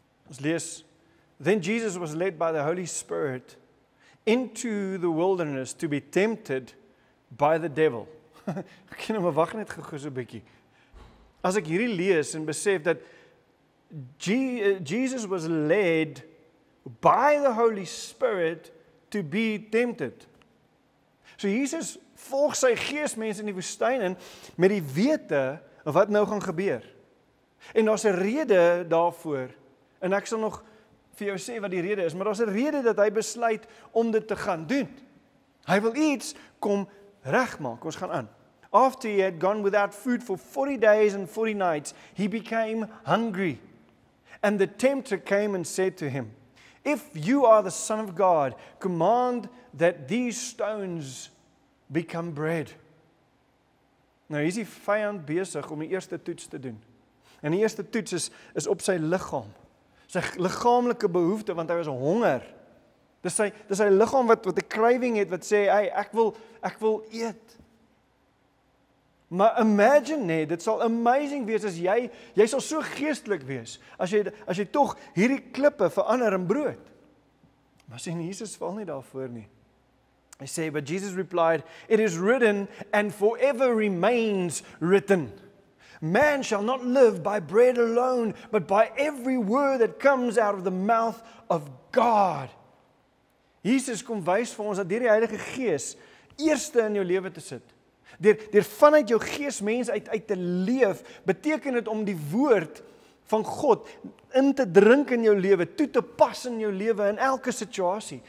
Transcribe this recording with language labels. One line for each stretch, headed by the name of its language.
Afrikaans: Ons lees,
English: Then Jesus was led by the Holy Spirit into the wilderness to be tempted by the devil.
Afrikaans: Ek ken hom, wag net gou so 'n bietjie. As ek hierdie lees en besef dat
English: Jesus was led by the Holy Spirit to be tempted.
Afrikaans: So Jesus volg sy gees mense in die woestyn in met die wete wat nou gaan gebeur. En daar's 'n rede daarvoor. En ek sal nog vir jou sê wat die rede is, maar daar's 'n rede dat hy besluit om dit te gaan doen. Hy wil iets kom regmaak. Ons gaan aan.
English: After he had gone without food for 40 days and 40 nights, he became hungry. And the tempter came and said to him, If you are the Son of God, command that these stones become bread.
Afrikaans: Nou is die vyand besig om die eerste toets te doen. En die eerste toets is op sy liggaam. Sy liggaamlike behoefte, want hy was honger. Dis sy liggaam wat 'n craving het, wat sê, hey, ek wil eet. Maar imagine nee, dit sal amazing wees as jy sal so geestelik wees, as jy tog hierdie klippe verander in brood. Maar sien, Jesus val nie daarvoor nie. Hy sê,
English: but Jesus replied, it is written and forever remains written. Man shall not live by bread alone, but by every word that comes out of the mouth of God.
Afrikaans: Jesus kom wys vir ons dat deur die Heilige Gees eerste in jou lewe te sit. Deur vanuit jou gees mens uit te leef, beteken dit om die woord van God in te drink in jou lewe, toe te pas in jou lewe, in elke situasie.